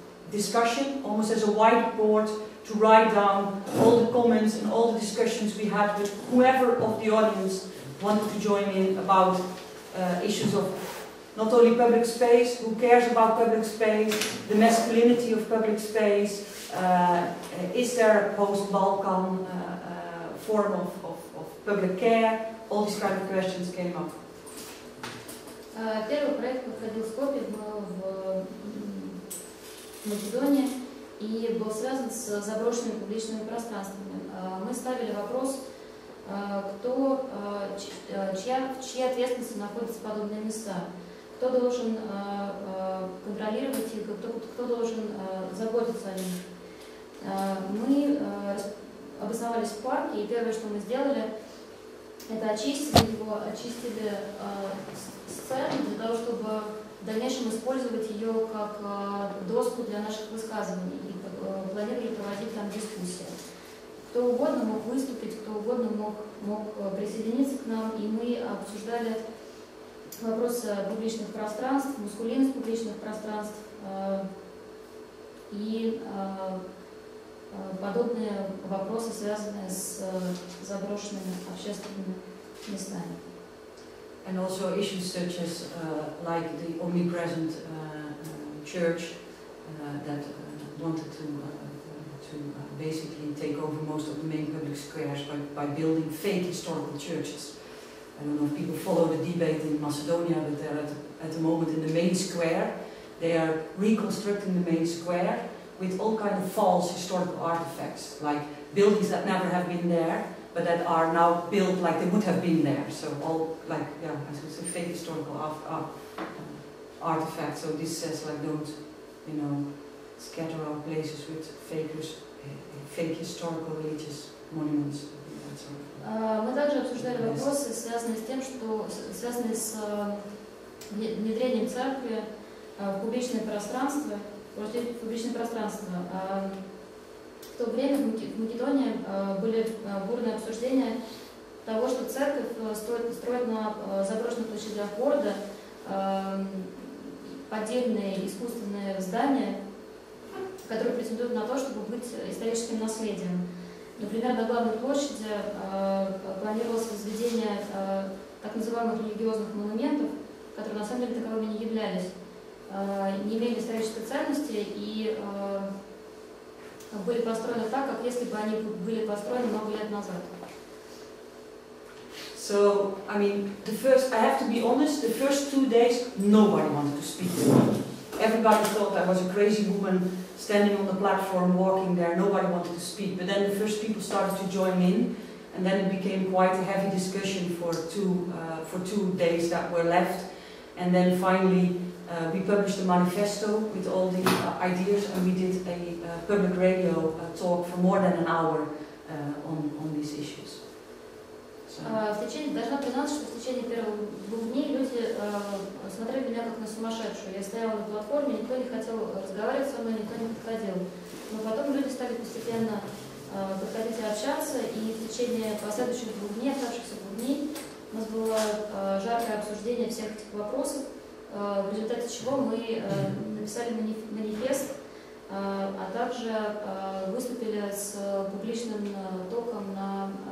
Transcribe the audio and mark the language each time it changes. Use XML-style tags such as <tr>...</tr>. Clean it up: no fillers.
<en>discussion, almost as a whiteboard to write down all the comments and all the discussions we had with whoever of the audience wanted to join in about issues of not only public space, who cares about public space, the masculinity of public space, is there a post-Balkan form of public care, all these kind of questions came up.</en> <ru>Первый проект проходил в Скопье, был в Македонии и был связан с заброшенными публичными пространствами. Мы ставили вопрос, в чьей ответственности находятся подобные места, кто должен контролировать их, кто должен заботиться о них. Мы обосновались в парке, и первое, что мы сделали, это очистили сцену для того, чтобы в дальнейшем использовать ее как доску для наших высказываний и планировали проводить там дискуссии. Кто угодно мог выступить, кто угодно мог присоединиться к нам, и мы обсуждали вопросы публичных пространств, маскулинность публичных пространств и подобные вопросы, связанные с заброшенными общественными местами.</ru> <en>And also issues such as like the omnipresent church that wanted to basically take over most of the main public squares by building fake historical churches. I don't know if people follow the debate in Macedonia, but they're at the moment in the main square. They are reconstructing the main square with all kind of false historical artifacts, like buildings that never have been there, but that are now built like they would have been there. So all, like, yeah, as we say, fake historical artifacts. So this says, like, don't, you know, scatter our places with fake historical religious monuments.</en> <ru>Мы также обсуждали вопросы, связанные с тем, что связанные с внедрением церкви в публичное пространство, прошли в публичное пространство. В то время в Македонии были бурные обсуждения того, что церковь строит на заброшенных площадях города поддельные искусственные здания, которые претендуют на то, чтобы быть историческим наследием. Например, на главной площади планировалось возведение так называемых религиозных монументов, которые на самом деле таковыми не являлись, не имели исторической ценности и были построены так, как если бы они были построены много лет назад.</ru> <en>So, I mean, the first, I have to be honest, the first 2 days nobody wanted to speak. Everybody thought I was a crazy woman standing on the platform, walking there, nobody wanted to speak. But then the first people started to join in, and then it became quite a heavy discussion for two days that were left. And then finally, we published a manifesto with all the ideas, and we did a public radio talk for more than an hour on these issues.</en> <ru>Должна признаться, что в течение первых 2 дней люди смотрели меня как на сумасшедшую. Я стояла на платформе, никто не хотел разговаривать со мной, никто не подходил. Но потом люди стали постепенно подходить и общаться, и в течение последующих 2 дней, оставшихся 2 дней, у нас было жаркое обсуждение всех этих вопросов, в результате чего мы написали манифест, а также выступили с публичным током на</ru>